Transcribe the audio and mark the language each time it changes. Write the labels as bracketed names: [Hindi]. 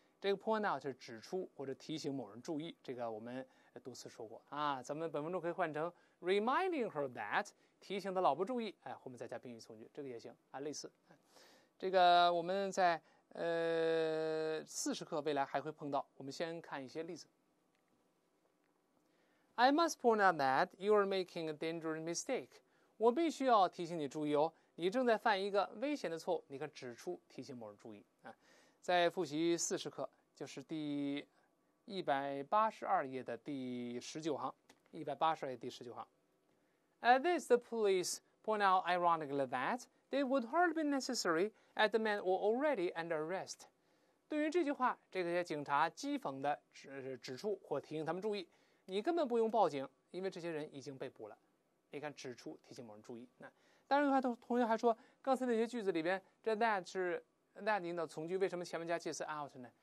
[Chinese] 这个 point out 是指出或者提醒某人注意，这个我们多次说过啊。咱们本文中可以换成 [English] reminding her that， [Chinese] 提醒她老婆注意。哎，后面再加宾语从句，这个也行啊，类似。这个我们在40课未来还会碰到。我们先看一些例子。 [English] I must point out that you are making a dangerous mistake。 [Chinese] 我必须要提醒你注意哦。你正在犯一个危险的错误，你可指出提醒某人注意啊。在复习40课，就是第182页的第19行，182页第19行。 [English] At this, the police point out ironically that They would hardly be necessary as the men were already under arrest. [Chinese] 对于这句话，这些警察讥讽的 指出或提醒他们注意，你根本不用报警，因为这些人已经被捕了。你看，指出提醒某人注意。那当然，同学还说，刚才那些句子里边，这 that 是 that 引导从句，为什么前面加介词 out 呢？